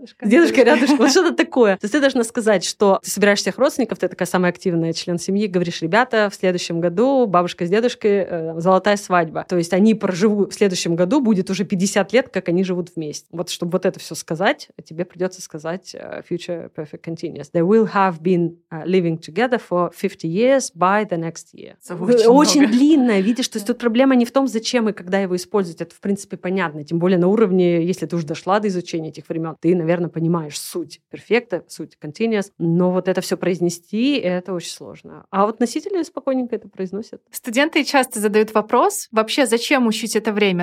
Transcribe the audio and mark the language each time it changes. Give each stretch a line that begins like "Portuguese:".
Russian: Дедушка-рядушка, вот что-то такое. То есть ты должна сказать, что ты собираешь всех родственников, ты такая самая активная член семьи, говоришь, ребята, в следующем году бабушка с дедушкой, золотая свадьба. То есть они проживут в следующем году, будет уже 50 лет, как они живут вместе. Вот чтобы вот это все сказать, а тебе придется сказать future perfect continuous.
English: They will have been living together for 50 years by the next year.
Russian: Очень длинное, видишь, то есть тут проблема не в том, зачем и когда его использовать, это в принципе понятно, тем более на уровне, если ты уже дошла до изучения этих времен, ты, наверное, понимаешь суть перфекта, суть continuous, но вот это все произнести, это очень сложно. А вот носители спокойненько это произносят. Студенты часто задают вопрос, вообще зачем учить это время?